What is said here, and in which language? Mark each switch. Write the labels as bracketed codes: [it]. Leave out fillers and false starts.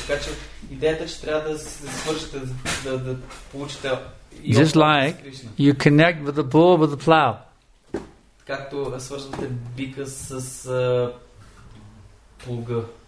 [bg] Така че идеята, че трябва да се свържете, да получите... [en] Just like you connect with the bull with the plow. [bg] Както свързвате бика с плуга.